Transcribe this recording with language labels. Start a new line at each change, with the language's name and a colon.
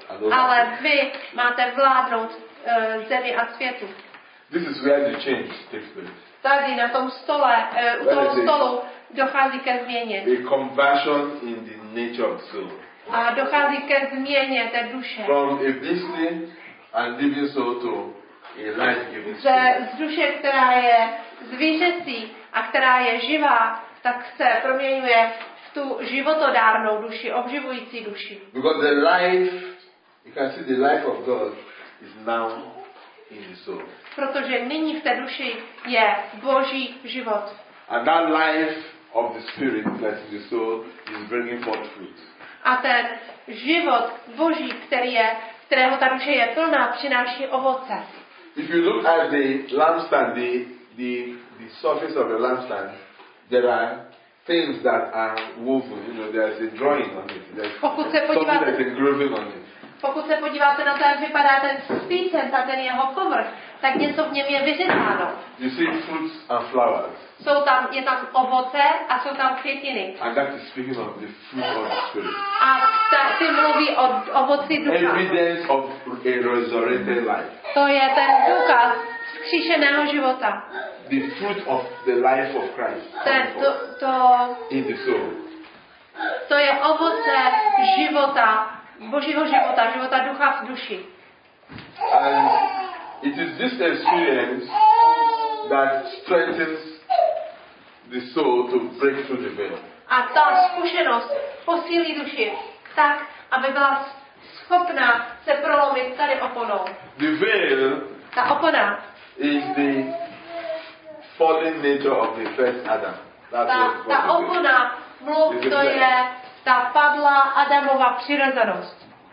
Czech: Ale vy máte vládnout zemi a světu.
English: This is where the change takes place.
Czech: Tady na tom stole, u toho stolu dochází ke změně.
English: A conversion in the nature of soul.
Czech: A dochází ke změně té duše.
English: From a beastly and living soul to a life-giving soul.
Czech: Z duše, která je zvířecí a která je živá, tak se proměňuje v tu životodárnou duši, obživující duši.
English: Because the life, you can see the life of God is now in the soul.
Czech: Protože nyní v té duši je Boží život.
English: And that life of the spirit that is the soul is bringing forth fruit.
Czech: A ten život Boží, který je, kterého ta duše je plná, přináší ovoce.
English: If you look at the lampstand, the surface of the lampstand, there are things that are woven. You know, there is a drawing on it.
Czech: Pokud se podíváte,
English: something that is engraving on it.
Czech: Pokud se podíváte na to, jak vypadá ten spícen, ta ten jeho povrch, tak něco v něm je vyřezáno.
English: You see fruits and flowers.
Czech: Jsou tam, je tam ovoce a jsou tam květiny.
English: And that is speaking of the fruit of the spirit.
Czech: A tak si mluví o ovoci ducha.
English: Evidence of a resurrected life.
Czech: To je ten důkaz vzkříšeného života.
English: The fruit of the life of Christ.
Czech: To
English: in the soul.
Czech: To je ovoce života, Božího života, života ducha v duši.
English: And it is this experience that strengthens the soul to break through the veil.
Czech: A ta zkušenost posílí duši tak, aby byla schopna se prolomit tady oponou.
English: The veil,
Czech: ta opona,
English: is the fallen nature of the first Adam.
Czech: Ta opona, mluv, to je ta padlá Adamova přirozenost.